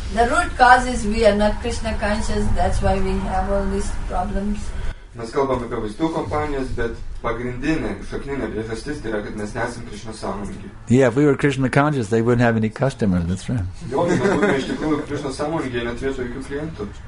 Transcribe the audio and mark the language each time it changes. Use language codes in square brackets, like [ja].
[en] The root cause is we are not Krishna conscious. That's why we have all these problems. [lt] Mes kalbam apie vaistų kompanijas, bet pagrindinė, šakninė priežastis yra, kad mes nesam Krishna sąmoningi. [en] Yeah, if we were Krishna conscious, they wouldn't have any customers, that's right. [lt] Jo, mes būtume iš tikrųjų Krishna sąmoningi, jie neturėtų jokių klientų.